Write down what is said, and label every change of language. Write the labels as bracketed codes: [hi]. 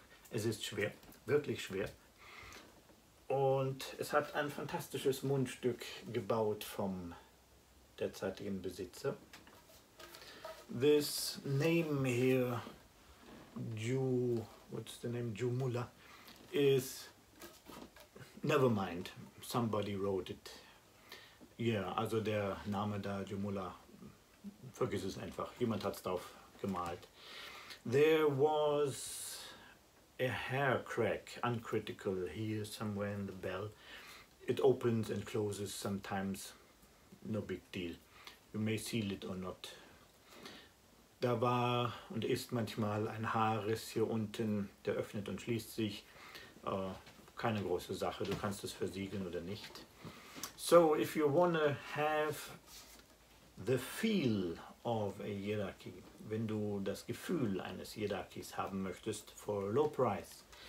[de] Es ist schwer, wirklich schwer. Und es hat ein fantastisches Mundstück gebaut vom derzeitigen Besitzer. [en] This name here, Jumula, is, never mind, somebody wrote it. [de] Yeah, also der Name da, Jumula, vergiss es einfach, jemand hat es drauf gemalt. [en] There was a hair crack, uncritical, here somewhere in the bell. It opens and closes sometimes, no big deal. You may seal it or not. [de] Da war und ist manchmal ein Haarriss hier unten, der öffnet und schließt sich. Keine große Sache, du kannst es versiegeln oder nicht. [en] So, if you wanna have the feel of a Yidaki, [de] wenn du das Gefühl eines Yidakis haben möchtest, [en] for a low price.